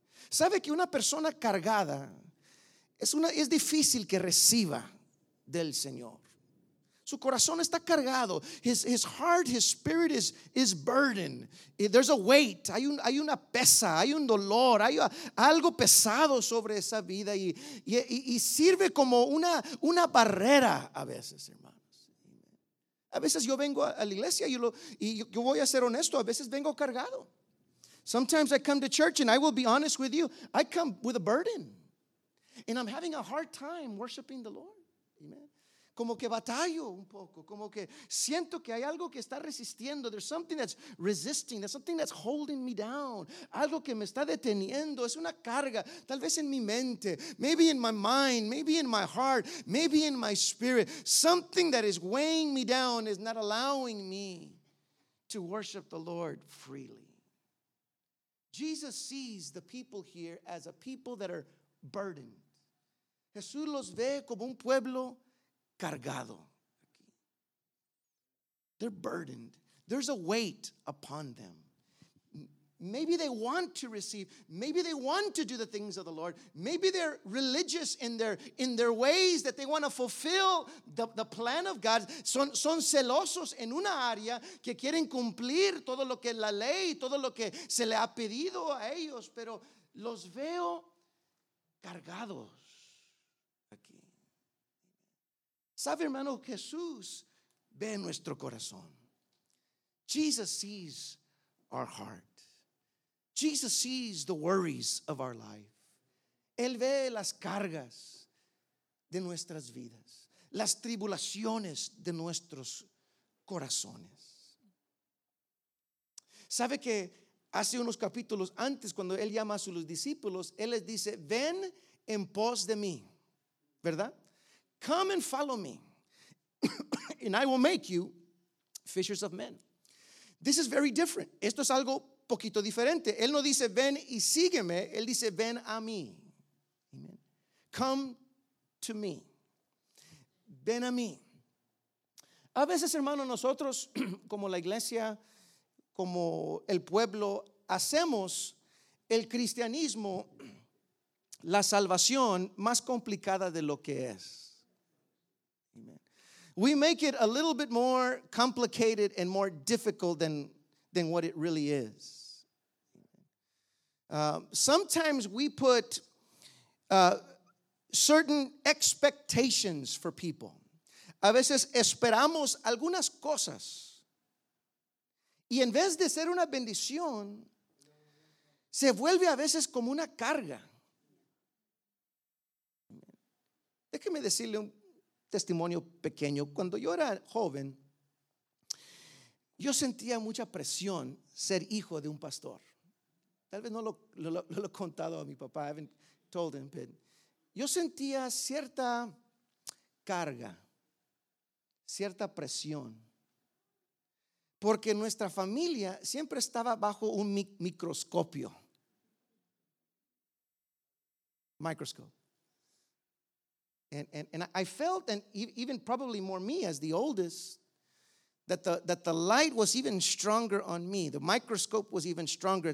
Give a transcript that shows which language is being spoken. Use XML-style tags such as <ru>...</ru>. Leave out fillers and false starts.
<es>Sabe que una persona cargada es difícil que reciba del Señor. Su corazón está cargado.</es> <en>His heart, his spirit is burdened. There's a weight.</en> <es>Hay una pesa, hay un dolor, hay algo pesado sobre esa vida, y sirve como una barrera a veces, hermanos. A veces yo vengo a la iglesia y yo voy a ser honesto, a veces vengo cargado.</es> <en>Sometimes I come to church and I will be honest with you. I come with a burden. And I'm having a hard time worshiping the Lord. Amen.</en> <es>Como que batallo un poco, como que siento que hay algo que está resistiendo.</es> <en>There's something that's resisting, there's something that's holding me down.</en> <es>Algo que me está deteniendo, es una carga, tal vez en mi mente,</es> <en>maybe in my mind, maybe in my heart, maybe in my spirit. Something that is weighing me down is not allowing me to worship the Lord freely. Jesus sees the people here as a people that are burdened.</en> <es>Jesús los ve como un pueblo cargado.</es> <en>They're burdened. There's a weight upon them. Maybe they want to receive. Maybe they want to do the things of the Lord. Maybe they're religious in their ways that they want to fulfill the plan of God.</en> <es>Son celosos en una área que quieren cumplir todo lo que la ley, todo lo que se le ha pedido a ellos. Pero los veo cargados. Sabe, hermano, Jesús ve nuestro corazón.</es> <en>Jesus sees our heart. Jesus sees the worries of our life.</en> <es>Él ve las cargas de nuestras vidas, las tribulaciones de nuestros corazones. Sabe que hace unos capítulos antes, cuando Él llama a sus discípulos, Él les dice, ven en pos de mí, ¿verdad?</es> <en>Come and follow me, and I will make you fishers of men. This is very different.</en> <es>Esto es algo poquito diferente. Él no dice, ven y sígueme. Él dice, ven a mí. Amen.</es> <en>Come to me.</en> <es>Ven a mí. A veces, hermanos, nosotros, como la iglesia, como el pueblo, hacemos el cristianismo, la salvación, más complicada de lo que es.</es> <en>We make it a little bit more complicated and more difficult than what it really is. Sometimes we put certain expectations for people.</en> <es>A veces esperamos algunas cosas. Y en vez de ser una bendición, se vuelve a veces como una carga. Déjeme decirle un testimonio pequeño. Cuando yo era joven, yo sentía mucha presión ser hijo de un pastor. Tal vez no lo he contado a mi papá.</es> <en>I haven't told him, but</en> <es>yo sentía cierta carga, cierta presión. Porque nuestra familia siempre estaba bajo un microscopio.</es> <en>And I felt, and even probably more me as the oldest, that the light was even stronger on me. The microscope was even stronger.</en>